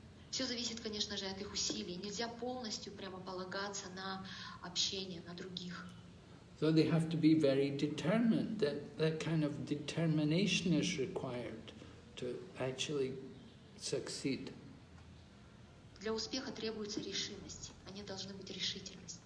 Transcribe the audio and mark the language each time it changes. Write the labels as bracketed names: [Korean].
[Russian] Все зависит, конечно же, от их усилий. Нельзя полностью прямо полагаться на общение, на других. [English] So they have to be very determined. That kind of determination is required to actually succeed. [Russian] Для успеха требуется решимость. Они должны быть решительными.